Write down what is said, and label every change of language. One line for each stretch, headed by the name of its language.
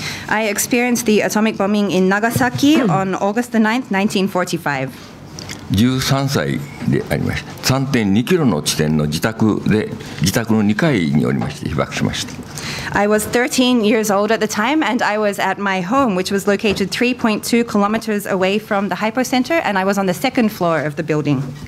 English: I experienced the atomic bombing in Nagasaki on August the 9th, 1945.
Japanese: 13歳であります。3.2キロの地点の自宅の2階におりまして被爆しました。
English: I was 13 years old at the time, and I was at my home, which was located 3.2 kilometers away from the hypocenter, and I was on the second floor of the building.